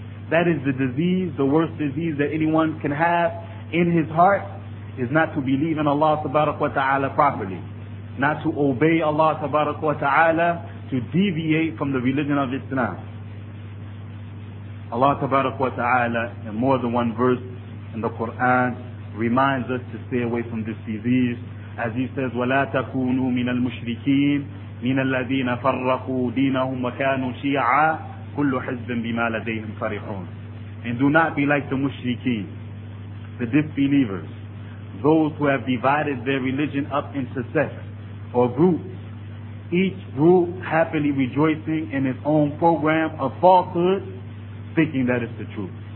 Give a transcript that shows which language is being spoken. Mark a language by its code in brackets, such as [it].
[en] That is the disease, the worst disease that anyone can have in his heart, is not to believe in Allah subhanahu wa ta'ala properly, not to obey Allah subhanahu wa ta'ala, to deviate from the religion of Islam. Allah subhanahu wa ta'ala, in more than one verse in the Quran, reminds us to stay away from this disease. As he says, [ar] وَلَا تَكُونُوا مِنَ الْمُشْرِكِينَ مِنَ الَّذِينَ فَرَّقُوا دِينَهُمْ وَكَانُوا شِيَعًا كُلُّ حِزْبٍ بِمَا لَدَيْهِمْ فَرِحُونَ. [en] And do not be like the mushrikeen, the disbelievers, those who have divided their religion up into sects or groups, each group happily rejoicing in its own program of falsehood, thinking that it's the truth.